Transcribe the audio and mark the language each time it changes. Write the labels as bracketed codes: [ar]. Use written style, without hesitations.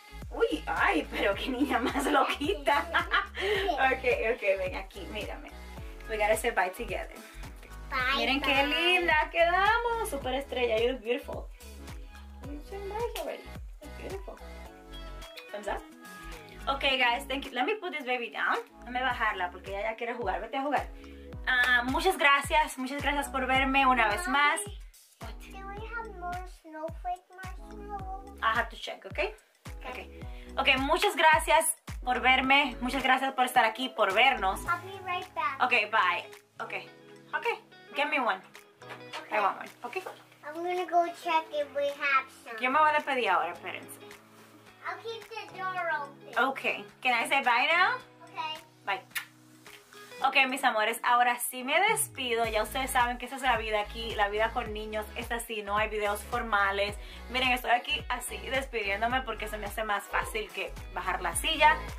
[es] Uy, ay, pero qué niña más loquita. Okay, ven aquí, mírame. [en] We gotta say bye together. Bye. [es] Miren [en] bye. [es] Qué linda quedamos. Super estrella. [en] You look beautiful. You're beautiful. Thumbs up. Okay, guys. Thank you. Let me put this baby down. [es] Déjame bajarla porque ella ya quiere jugar. Vete a jugar. Muchas gracias. Muchas gracias por verme una vez más. [en] What? Do we have more snowflake marshmallows? I have to check, okay? Okay. [es] Muchas gracias por verme, muchas gracias por estar aquí, por vernos. [en] I'll be right back. Okay, bye. Okay. Give me one. Okay. I want one. Okay. I'm gonna go check if we have some. [es] Yo me voy a despedir ahora, espérense. [en] I'll keep the door open. Okay. Can I say bye now? Okay. Bye. [es] Okay, mis amores, ahora sí me despido. Ya ustedes saben que esa es la vida aquí, la vida con niños es así, no hay videos formales. Miren, estoy aquí así despidiéndome porque se me hace más fácil que bajar la silla.